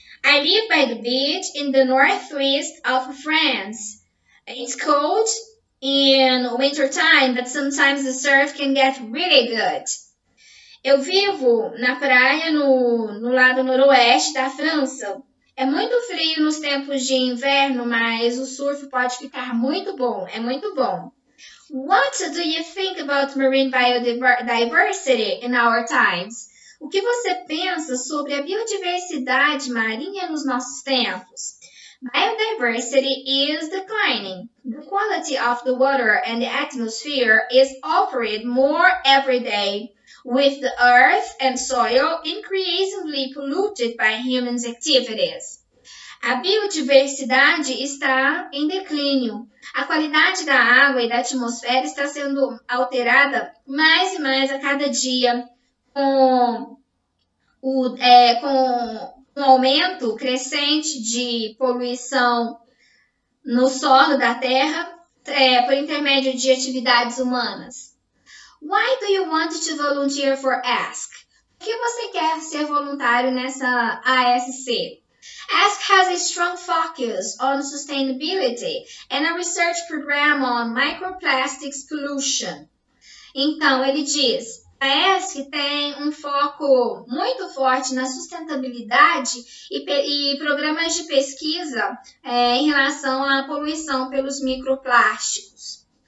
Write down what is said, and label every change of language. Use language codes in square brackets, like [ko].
[en] I live by the beach in the northwest of France. It's cold in winter time, but sometimes the surf can get really good. [pt] Eu vivo na praia no lado noroeste da França. É muito frio nos tempos de inverno, mas o surf pode ficar muito bom. É muito bom. [en] What do you think about marine biodiversity in our times? [pt] O que você pensa sobre a biodiversidade marinha nos nossos tempos? [en] Biodiversity is declining. The quality of the water and the atmosphere is altered more every day, with the earth and soil increasingly polluted by human activities. [pt] A biodiversidade está em declínio. A qualidade da água e da atmosfera está sendo alterada mais e mais a cada dia, com um aumento crescente de poluição no solo da terra, por intermédio de atividades humanas. [en] Why do you want to volunteer for ASC? [pt] Por que você quer ser voluntário nessa ASC? [en] ASC has a strong focus on sustainability and a research program on microplastics pollution. [pt] Então, ele diz: A ESC tem um foco muito forte na sustentabilidade e programas de pesquisa em relação à poluição pelos microplásticos.